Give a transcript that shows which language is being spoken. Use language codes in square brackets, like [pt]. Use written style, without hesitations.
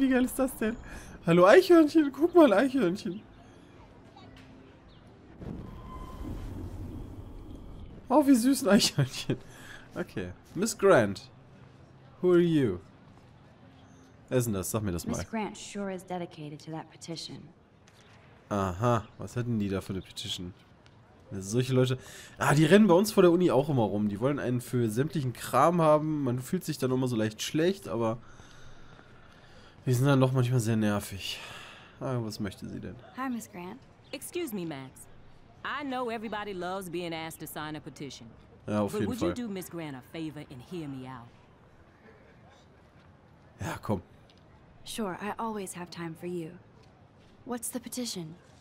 [de] Wie geil ist das denn? Hallo Eichhörnchen, guck mal, Eichhörnchen. Oh, wie süß ein Eichhörnchen. Okay. Miss Grant. [en] Who are you? [de] Wer ist denn das? Sag mir das mal. [en] Miss Grant sure is dedicated to that petition. [de] Aha. Was hätten die da für eine Petition? Solche Leute. Ah, die rennen bei uns vor der Uni auch immer rum. Die wollen einen für sämtlichen Kram haben. Man fühlt sich dann immer so leicht schlecht, aber wir sind dann doch manchmal sehr nervig. Ah, was möchte sie denn? [en] Hi, Miss Grant. Excuse me, Max. I know everybody loves being asked to sign a petition. [de] Ja, auf jeden [en] But would [de] Fall. [en] You do Miss Grant a favor and hear me out? [de] Ja, komm. [en] Sure, I always have time for you. What's the petition?